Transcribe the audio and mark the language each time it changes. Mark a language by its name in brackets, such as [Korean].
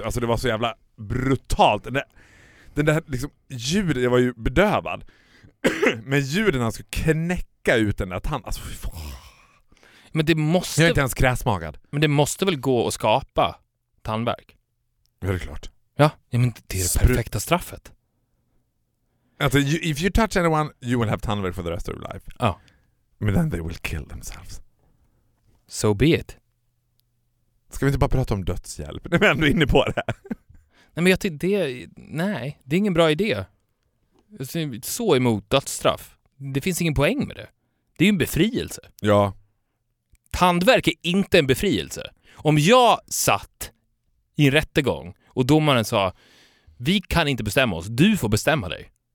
[Swedish] Alltså det var så jävla brutalt. Den där liksom ljudet, jag var ju bedövad. Men ljuden han skulle knäcka ut den där tanden. Alltså men det måste... Jag är inte ens kräsmagad. Men det måste väl gå att skapa tandvärk? Ja, det är klart. Ja, men det är det perfekta straffet. [English] Alltså, if you touch anyone, you will have tandvärk for the rest of your life. [Swedish] Ja. [English] But then they will kill themselves. So be it. [Swedish] Ska vi inte bara prata om dödshjälp? Nej, men du är inne på det. Nej, men jag tycker det... Nej, det är ingen bra idé. Så emot dödsstraff. Det finns ingen poäng med det. Det är ju en befrielse. Ja. Tandvärk är inte en befrielse. Om jag satt i en rättegång och domaren sa vi kan inte bestämma oss, du får bestämma dig.